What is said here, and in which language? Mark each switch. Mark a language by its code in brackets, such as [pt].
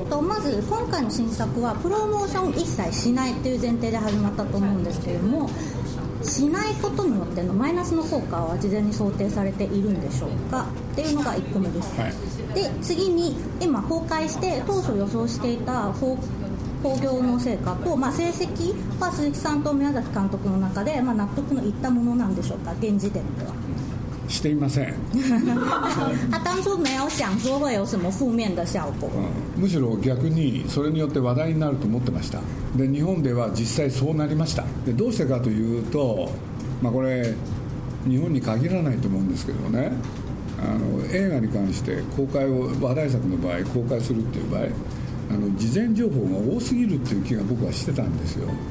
[ja] と、まず今回の新作はプロモーションを一切しないという前提で始まったと思うんですけれども、しないことによってのマイナスの効果は事前に想定されているんでしょうかっていうのが1個目です、はい、で次に今公開して当初予想していた興行の成果と、まあ、成績は鈴木さんと宮崎監督の中で、まあ、納得のいったものなんでしょうか、現時点では。していません。 [zh] 他当初没有想说会有什么负面的效果、うん、 [ja] むしろ逆にそれによって話題になると思ってました。で日本では実際そうなりました。でどうしてかというと、まあ、これ日本に限らないと思うんですけどね、あの映画に関して公開を話題作の場合公開するっていう場合、あの事前情報が多すぎるっていう気が僕はしてたんですよ。